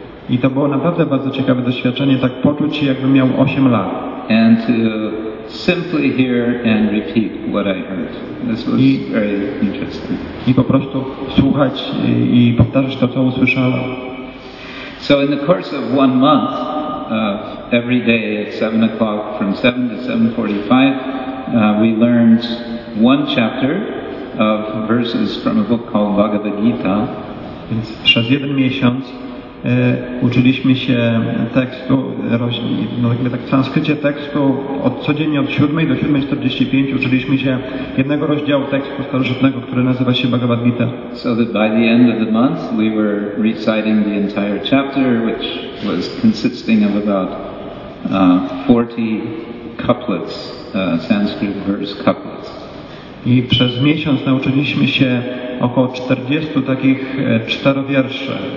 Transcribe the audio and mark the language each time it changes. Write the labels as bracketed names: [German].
[Polish] I to było naprawdę bardzo ciekawe doświadczenie, tak poczuć się, jakbym miał 8 lat. [English] And to simply hear and repeat what I heard. This was very interesting. [Polish] I po prostu słuchać i powtarzać to, co usłyszałem. [English] So in the course of 1 month, every day at 7 o'clock, from 7 to 7:45, we learned one chapter of verses from a book called Bhagavad Gita. [Polish] Więc przez jeden miesiąc uczyliśmy się tekstu, tak w transkrycie tekstu codziennie od 7 do 7.45 uczyliśmy się jednego rozdziału tekstu starożytnego, który nazywa się Bhagavad Gita. [English] So that by the end of the month we were reciting the entire chapter, which was consisting of about 40 couplets, Sanskrit verse couplets. [Polish] I przez miesiąc nauczyliśmy się około 40 takich czterowierszy.